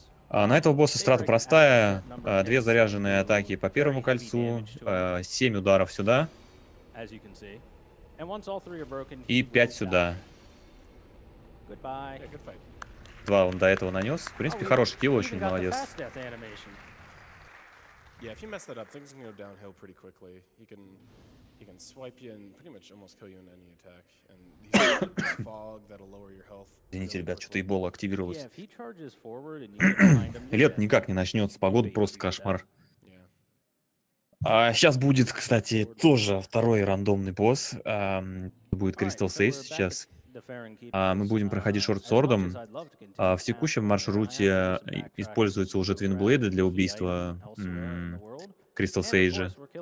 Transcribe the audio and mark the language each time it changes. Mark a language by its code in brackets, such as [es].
[ru] На этого босса страта простая. Две заряженные атаки по первому кольцу. 7 ударов сюда. [en] As you can see. And once all three are broken, [ru] и 5 сюда. [en] Goodbye. [ru] Два он до этого нанес. В принципе, хороший килл, очень молодец. [en] Yeah, if you mess that up, things can go downhill pretty quickly. He can He can swipe you and pretty much almost kill you in any attack. And he's got fog that'll lower your health. [ru] Извините, ребят, что-то ебало активировалось. [en] Yeah, if he charges forward and you [ru] him, лет никак не начнется, погода просто кошмар. А сейчас будет, кстати, тоже второй рандомный босс. Будет Crystal Sage сейчас. Мы будем проходить Шорт Сордом. В текущем маршруте используются уже Твинблейды для убийства Crystal Sage.